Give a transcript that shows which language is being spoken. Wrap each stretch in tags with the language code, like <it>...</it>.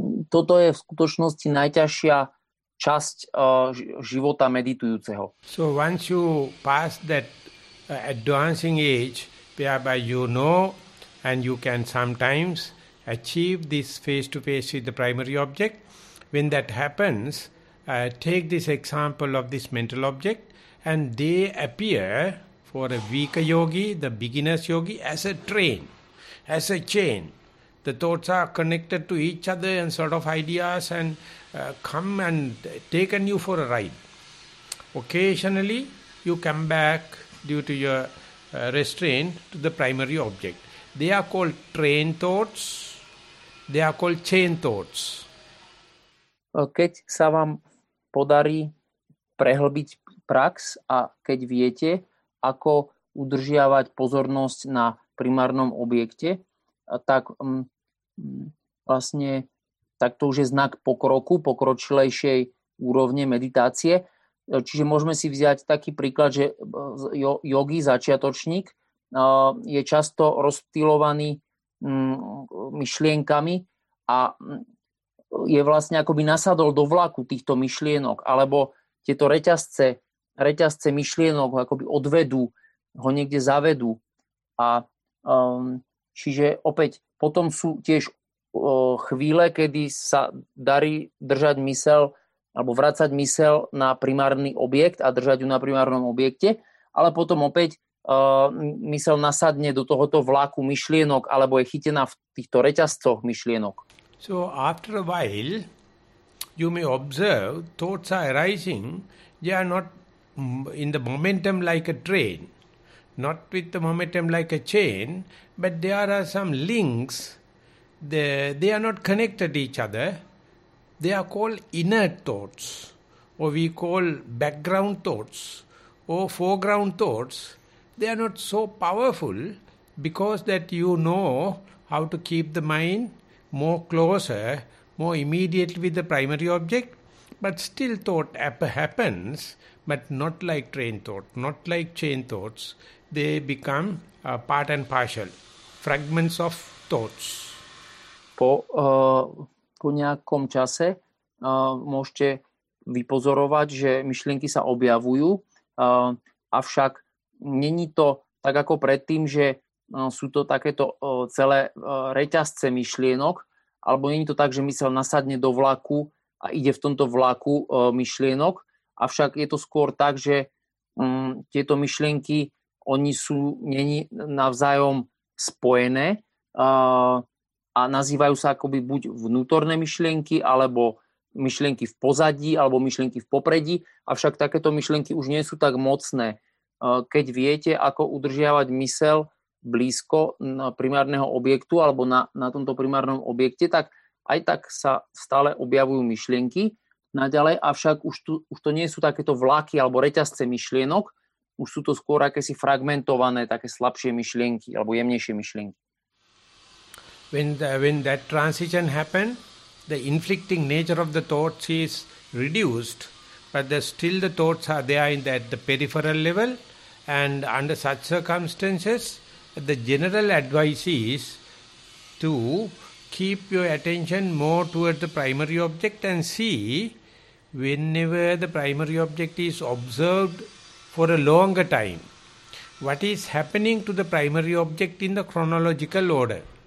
<sk>Toto je v skutočnosti najťažšia časť života meditujúceho.</sk> <en>So once you pass that advancing age, whereby you know and you can sometimes achieve this face-to-face with the primary object, when that happens, take this example of this mental object, and they appear for a weaker yogi, the beginner's yogi, as a train, as a chain. The thoughts are connected to each other and sort of ideas and come and taken you for a ride. Occasionally, you come back due to your restraint to the primary object. They are called train thoughts. They are called chain thoughts.</en> <sk>Keď sa vám podarí prehlbiť prax a keď viete, ako udržiavať pozornosť na primárnom objekte, tak vlastne tak to už je znak pokroku, pokročilejšej úrovne meditácie. Čiže môžeme si vziať taký príklad, že jogi, začiatočník, je často rozptýlovaný myšlienkami a je vlastne akoby nasadol do vlaku týchto myšlienok, alebo tieto reťazce myšlienok akoby odvedú, ho niekde zavedú. A čiže opäť potom sú tiež chvíle, kedy sa darí držať myseľ alebo vracať myseľ na primárny objekt a držať ju na primárnom objekte, ale potom opäť myseľ nasadne do tohoto vlaku myšlienok alebo je chytená v týchto reťazcoch myšlienok.</sk> <en>So after a while you may observe thoughts are arising, they are not in the momentum like a train, not with the momentum like a chain, but there are some links, they are not connected to each other, they are called inner thoughts, or we call background thoughts, or foreground thoughts. They are not so powerful, because that you know how to keep the mind more closer, more immediately with the primary object, but still thought happens, but not like train thought, not like chain thoughts. They become part and partial, fragments of thoughts.</en> <sk>Po nejakom čase môžete vypozorovať, že myšlienky sa objavujú, avšak není to tak ako predtým, že sú to takéto celé reťazce myšlienok, alebo není to tak, že myseľ nasadne do vlaku a ide v tomto vlaku myšlienok, avšak je to skôr tak, že tieto myšlienky, oni sú není navzájom spojené a nazývajú sa akoby buď vnútorné myšlienky, alebo myšlienky v pozadí, alebo myšlienky v popredí, avšak takéto myšlienky už nie sú tak mocné. Keď viete, ako udržiavať myseľ blízko primárneho objektu alebo na tomto primárnom objekte, tak aj tak sa stále objavujú myšlienky, naďalej, avšak už to nie sú takéto vlaky alebo reťazce myšlienok, už sú to skôr akési fragmentované, také slabšie myšlienky alebo jemnejšie myšlienky.</sk> <en>When that transition happens, the inflicting nature of the thoughts is reduced, but still the thoughts are there in that the peripheral level, and under such circumstances, the general advice is to keep your attention more towards the primary object and see whenever the primary object is observed for a longer time, what is happening to the primary object in the chronological order.</en>